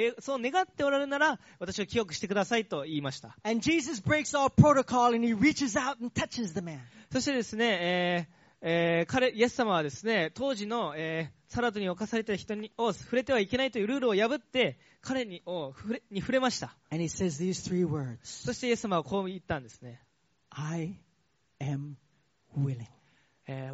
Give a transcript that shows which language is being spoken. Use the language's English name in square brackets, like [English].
[Japanese] そう願っておられるなら、私を清くしてくださいと言いました。 [English] And Jesus breaks all protocol and he reaches out and touches the man. [Japanese] そしてですね、イエス様はですね、当時の、サラトに侵された人に触れてはいけないというルールを破って、彼に、触れました。 [English] And he says these three words. [Japanese] そしてイエス様はこう言ったんですね。 [English] I am willing.